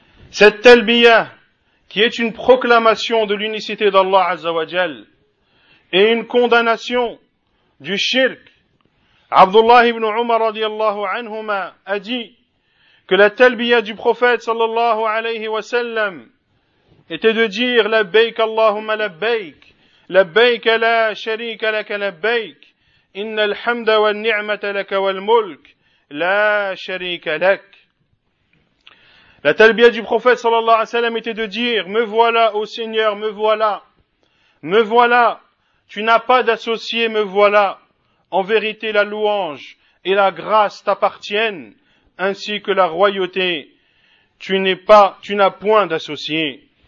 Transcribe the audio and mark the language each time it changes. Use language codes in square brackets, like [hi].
[fr] Cette Talbiya qui est une proclamation de l'unicité d'Allah Azza wa Jal et une condamnation du shirk. Abdullah ibn Umar radiallahu anhuma a dit que la Talbiya du prophète sallallahu alayhi wa sallam était de dire « [ar] Labbayk Allahumma labbayk ». لبيك لا شريك لك لبيك إن الحمد والنعمة لك والملك لا شريك لك. [fr] La talbiya du prophète sallallahu alayhi wa sallam était de dire me voilà ô Seigneur, me voilà, tu n'as pas d'associé, me voilà, en vérité la louange et la grâce t'appartiennent ainsi que la royauté, tu n'as point d'associé.